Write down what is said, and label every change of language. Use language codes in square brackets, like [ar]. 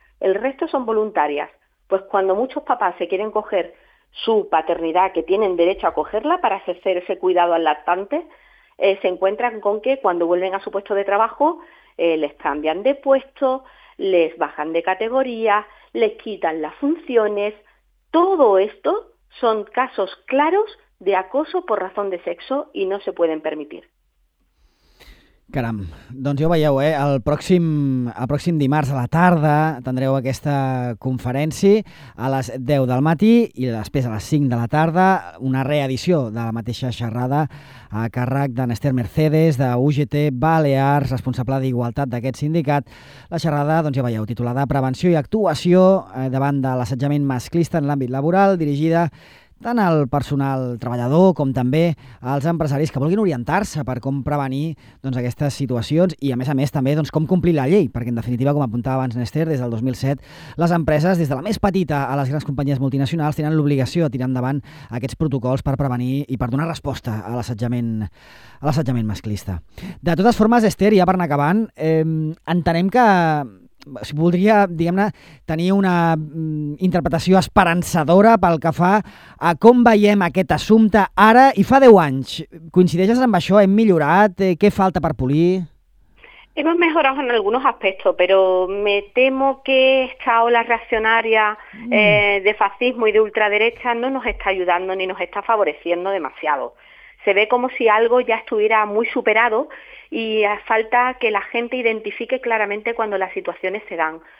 [es] El resto son voluntarias. Pues cuando muchos papás se quieren coger su paternidad, que tienen derecho a cogerla para ejercer ese cuidado al lactante, se encuentran con que cuando vuelven a su puesto de trabajo, les cambian de puesto, les bajan de categoría, les quitan las funciones. Todo esto son casos claros de acoso por razón de sexo y no se pueden permitir. [ca] Caram, doncs ja ho veieu, eh? El pròxim dimarts a la tarda tindreu aquesta conferència a les 10 del matí i després a les 5 de la tarda una reedició de la mateixa xerrada a càrrec d'en Esther Mercedes de UGT Balears, responsable d'igualtat d'aquest sindicat. La xerrada, doncs ja veieu, titulada Prevenció i actuació davant de l'assetjament masclista en l'àmbit laboral, dirigida tant al personal treballador com també als empresaris que vulguin orientar-se per com prevenir, doncs, aquestes situacions i, a més també, doncs, com complir la llei, perquè, en definitiva, com apuntava abans Néstor, des del 2007, les empreses, des de la més petita a les grans companyies multinacionals, tenen l'obligació de tirar endavant aquests protocols per prevenir i per donar resposta a l'assetjament masclista. De totes formes, Néstor, ja per anar acabant, entenem que si voldria, diguem-ne, tenir una interpretació esperançadora pel que fa a com veiem aquest assumpte ara i fa 10 anys. Coincideixes amb això? Hem millorat? Què falta per polir? [es] Hemos mejorado en algunos aspectos, pero me temo que esta ola reaccionaria de fascismo y de ultraderecha no nos está ayudando ni nos está favoreciendo demasiado. Se ve como si algo ya estuviera muy superado y falta que la gente identifique claramente cuando las situaciones se dan.